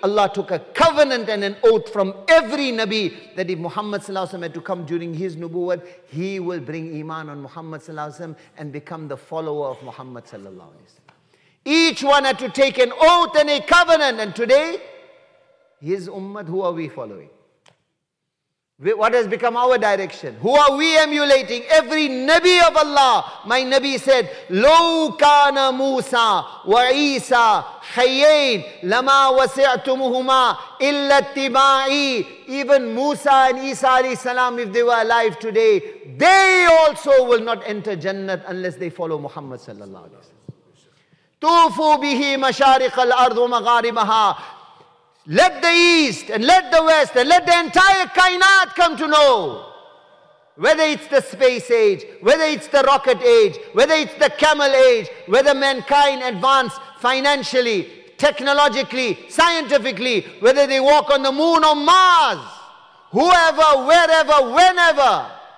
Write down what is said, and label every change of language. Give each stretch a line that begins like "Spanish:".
English: Allah took a covenant and an oath from every Nabi that if Muhammad sallallahu alayhi wa sallam had to come during his nubuwwat, he will bring iman on Muhammad sallallahu alayhi wa sallam and become the follower of Muhammad sallallahu alayhi wa sallam. Each one had to take an oath and a covenant, and today, his ummah, who are we following? What has become our direction? Who are we emulating? Every Nabi of Allah, my Nabi said,
Arabic: لَوْ كَانَ مُوسَى وَعِيسَى حَيَّيْنَ لَمَا وَسِعْتُمُهُمَا إِلَّا اتِّبَاعِي.
English: Even Musa and Isa alayhi salam, if they were alive today, they also will not enter Jannat unless they follow Muhammad sallallahu alayhi wa sallam.
Arabic: تُوفُوا بِهِ مَشَارِقَ الْأَرْضُ وَمَغَارِبَهَا.
English: Let the east and let the west and let the entire kainat come to know, whether it's the space age, whether it's the rocket age, whether it's the camel age, whether mankind advanced financially, technologically, scientifically, whether they walk on the moon or Mars, whoever, wherever, whenever,